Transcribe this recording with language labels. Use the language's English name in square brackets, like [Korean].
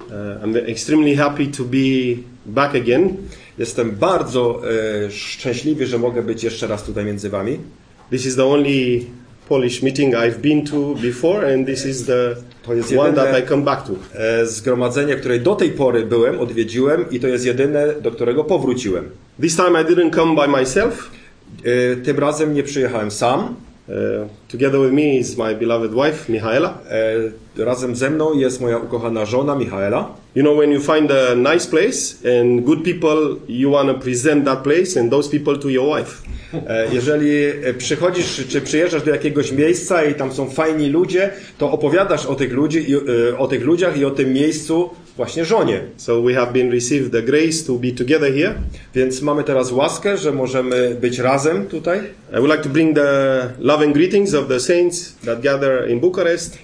[English] I'm extremely happy to be back again. [Polish] Jestem bardzo szczęśliwy, że mogę być jeszcze raz tutaj między wami. [English] This is the only Polish meeting I've been to before, and this is the one that I come back to. [Polish] Zgromadzenie, które do tej pory byłem, odwiedziłem, i to jest jedyne, do którego powróciłem. [English] This time I didn't come by myself. [Polish] Tym razem nie przyjechałem sam. [English] Together with me is my beloved wife, Michaela. [Polish] Razem ze mną jest moja ukochana żona, Michaela. [English] You know, when you find a nice place and good people, you want to present that place and those people to your wife. [Polish] Jeżeli przychodzisz, czy przyjeżdżasz do jakiegoś miejsca i tam są fajni ludzie, to opowiadasz o tych ludzi, o tych ludziach i o tym miejscu właśnie żonie. [English] So we have been received the grace to be together here. [Polish] Więc mamy teraz łaskę, że możemy być razem tutaj. [English] I would like to bring the loving greetings of the saints that gather in Bucharest.